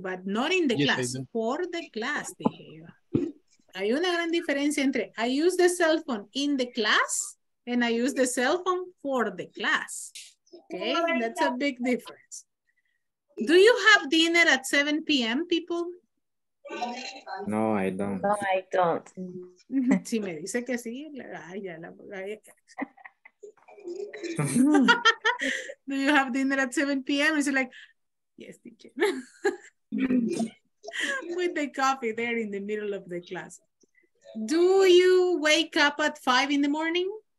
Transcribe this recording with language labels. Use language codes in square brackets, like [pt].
[en] But not in the class. For the class, [es] hay una gran diferencia entre [en] I use the cell phone in the class and I use the cell phone for the class. Okay, that's a big difference. Do you have dinner at 7 p.m., people? No, I don't. No, I don't. [es] Si me dice que sí, ya la voy a... [en] Do you have dinner at 7 p.m.? It's like, yes, teacher. With the coffee there in the middle of the class. Do you wake up at 5 in the morning?